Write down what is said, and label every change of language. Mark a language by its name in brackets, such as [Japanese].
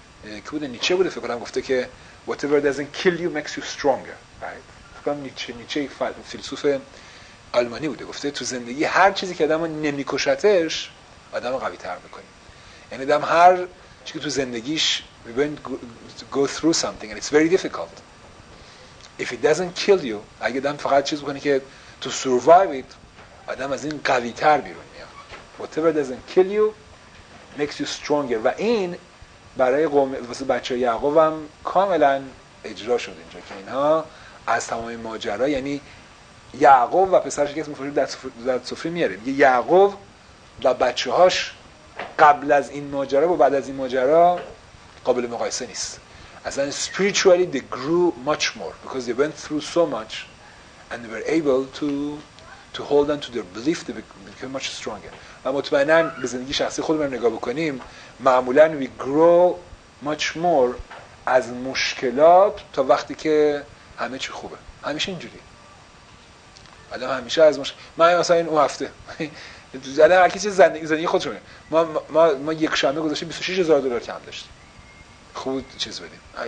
[Persian] که بوده نیچه بوده فکر کنم گفته که [English] whatever doesn't kill you makes you stronger، right؟ [Persian] فکر کنم نیچه فیلسوف آلمانی بوده، گفته تو زندگی هر چیزی که آدم رو نمیکشتش آدم رو قوی تر میکنی، یعنی آدم هر چیزی تو زندگیش [English] we're going to go through something and it's very difficult if it doesn't kill you، [Persian] اگه آدم فقط چیز بکنه که [English] to survive it، [Persian] آدم از این قوی تر بیرون میاد. [English] Whatever doesn't kill you makes you stronger. [Persian] و این برای قوم واسه بچه یعقوب هم کاملا اجرا شد اینجا که اینها از تمام ماجرا، یعنی یعقوب و پسرش که اسمش فرید در سفره میاره، میگه یعقوب و بچه هاش قبل از این ماجرا و بعد از این ماجرا قابل مقایسه نیست. اصلا [English] spiritually they grew much more because they went through so much and they were able to hold on to their belief to become much stronger. [Persian] و مطمئناً به زندگی شخصی خودمون نگاه بکنیم، معمولاً [English] we grow much more [Persian] از مشکلات تا وقتی که همه چی خوبه. همیشه اینجوری. آدم همیشه از مشکل، من مثلا این اون هفته زدم هر کی زندگی خودش رو، ما یک شنبه گذاشتیم 26000 دلار کم داشتیم. خوب چیز بدیم.